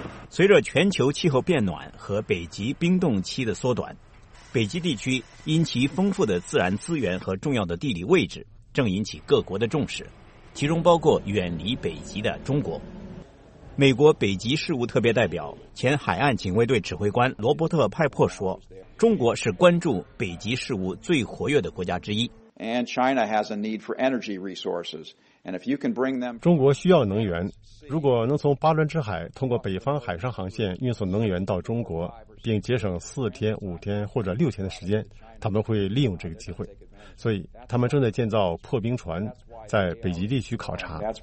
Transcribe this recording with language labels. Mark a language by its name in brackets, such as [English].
[Chinese] 随着全球气候变暖和北极冰冻期的缩短，北极地区因其丰富的自然资源和重要的地理位置，正引起各国的重视，其中包括远离北极的中国。美国北极事务特别代表、前海岸警卫队指挥官罗伯特·派珀说，中国是关注北极事务最活跃的国家之一。 [English] And China has a need for energy resources. And if you can bring them... [Chinese] 中国需要能源，如果能从巴伦支海通过北方海上航线运送能源到中国，并节省4天、5天或者6天的时间，他们会利用这个机会。所以他们正在建造破冰船在北极地区考察。